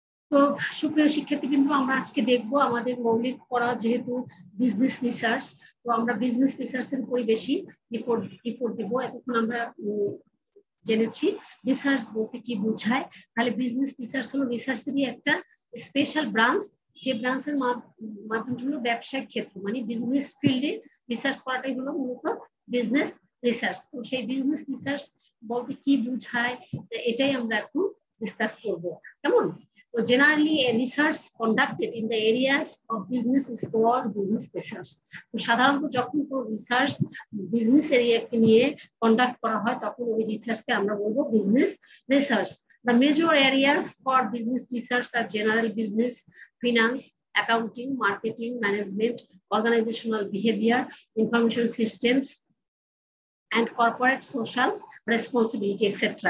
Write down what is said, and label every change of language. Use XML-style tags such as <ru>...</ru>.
<bn>তো সুপ্রিয় শিক্ষার্থী কিন্তু আমরা আজকে দেখব আমাদের মৌলিক পড়া যেহেতু বিজনেস রিসার্চ তো আমরা বিজনেস রিসার্চের উপরই বেশি রিপোর্ট দিব এতক্ষণ আমরা জেনেছি রিসার্চ বলতে কি বোঝায় তাহলে বিজনেস রিসার্চ হলো রিসার্চেরই একটা স্পেশাল ব্রাঞ্চ যে ব্রাঞ্চের মাধ্যমে হলো ব্যবসায়িক ক্ষেত্র মানে বিজনেস ফিল্ডে রিসার্চ করাটাই হলো মূলত বিজনেস রিসার্চ তো সেই বিজনেস রিসার্চ বলতে কি বোঝায় এটাই আমরা একটু ডিসকাস করব কেমন</bn> <en>So generally, a research conducted in the areas of business is called business research.</en> <bn>So, সাধারণত যখন কোনো research business area কে নিয়ে conduct করা হয়, তখন ওই research কে আমরা বলবো business research.</bn> <en>The major areas for business research are generally business, finance, accounting, marketing, management, organizational behavior, information systems, and corporate social responsibility, etc.</en>